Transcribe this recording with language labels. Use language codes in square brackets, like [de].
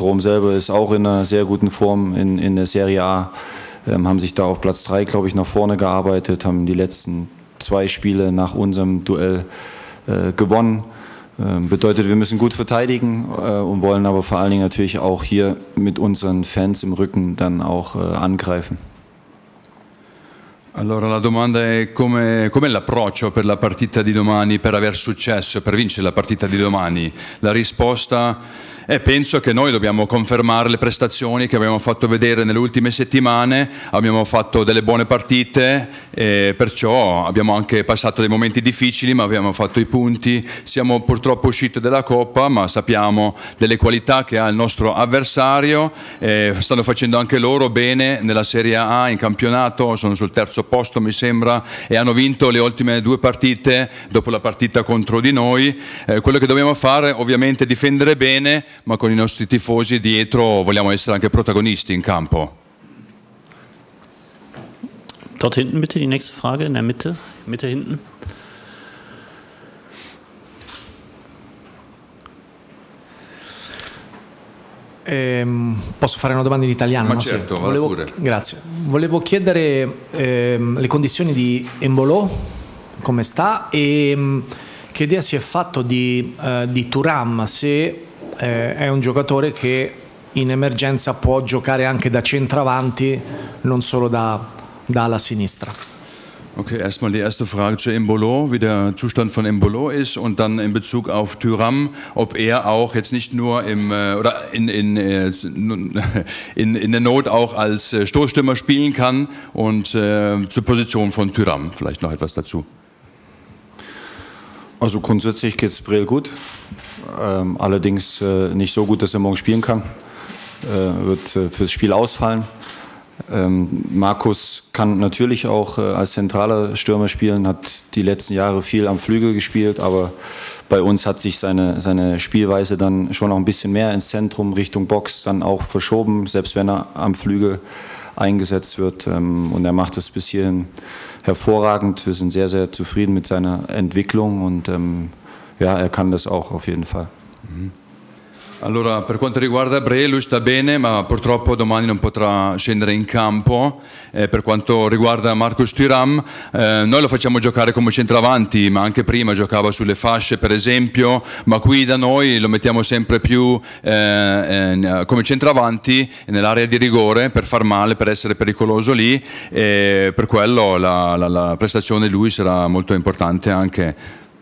[de] Rom selber ist auch in einer sehr guten Form in der Serie A, haben sich da auf Platz 3, glaube ich, nach vorne gearbeitet, haben die letzten 2 Spiele nach unserem Duell gewonnen. Bedeutet, wir müssen gut verteidigen und wollen aber vor allen Dingen natürlich auch hier mit unseren Fans im Rücken dann auch angreifen. [it] Allora la domanda è come l'approccio per la partita di domani, per aver successo, per vincere la partita di domani. La risposta è penso che noi dobbiamo confermare le prestazioni che abbiamo fatto vedere nelle ultime settimane, abbiamo fatto delle buone partite e perciò abbiamo anche passato dei momenti difficili, ma abbiamo fatto i punti. Siamo purtroppo usciti dalla Coppa, ma sappiamo delle qualità che ha il nostro avversario, e stanno facendo anche loro bene nella Serie A in campionato, sono sul terzo posto mi sembra, e hanno vinto le ultime 2 partite dopo la partita contro di noi. Quello che dobbiamo fare ovviamente è difendere bene, ma con i nostri tifosi dietro vogliamo essere anche protagonisti in campo. [de] Dort hinten bitte die nächste Frage in der Mitte, Mitte hinten. [it] Posso fare una domanda in italiano? Ma certo, vale pure. Grazie. Volevo chiedere le condizioni di Embolo, come sta e che idea si è fatto di Thuram, se è un giocatore che in emergenza può giocare anche da centravanti, non solo da ala sinistra. [de] Ok, erstmal die erste Frage zu Embolo, wie der Zustand von Embolo ist und dann in Bezug auf Thuram, ob er auch jetzt nicht nur in der Not auch als Stoßstürmer spielen kann und zur Position von Thuram vielleicht noch etwas dazu. Also grundsätzlich geht es Brill gut. Allerdings nicht so gut, dass er morgen spielen kann. Wird fürs Spiel ausfallen. Markus kann natürlich auch als zentraler Stürmer spielen, hat die letzten Jahre viel am Flügel gespielt, aber bei uns hat sich seine Spielweise dann schon auch ein bisschen mehr ins Zentrum Richtung Box dann auch verschoben, selbst wenn er am Flügel eingesetzt wird. Und er macht es bis hierhin hervorragend. Wir sind sehr, sehr zufrieden mit seiner Entwicklung und ja, er kann das auch auf jeden Fall. [it] Allora, per quanto riguarda Bre, lui sta bene, ma purtroppo domani non potrà scendere in campo. Per quanto riguarda Marcus Thuram, noi lo facciamo giocare come centravanti, ma anche prima giocava sulle fasce, per esempio, ma qui da noi lo mettiamo sempre più come centravanti nell'area di rigore per far male, per essere pericoloso lì, e per quello la prestazione di lui sarà molto importante anche.